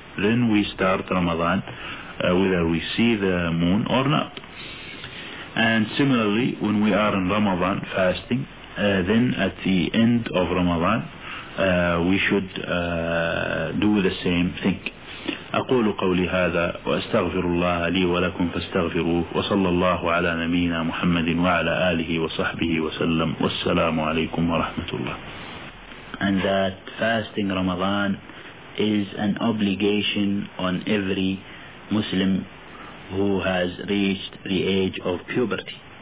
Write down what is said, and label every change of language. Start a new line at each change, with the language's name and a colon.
English: Then we start Ramadan whether we see the moon or not. And similarly, when we are in Ramadan fasting, then at the end of Ramadan, we should do the same thing.
Arabic: أقول قولي هذا وأستغفر الله لي ولكم فاستغفروه، وصلى الله على نبينا محمد وعلى آله وصحبه وسلم، والسلام عليكم ورحمة الله.
English: And that fasting Ramadan is an obligation on every Muslim who has reached the age of puberty.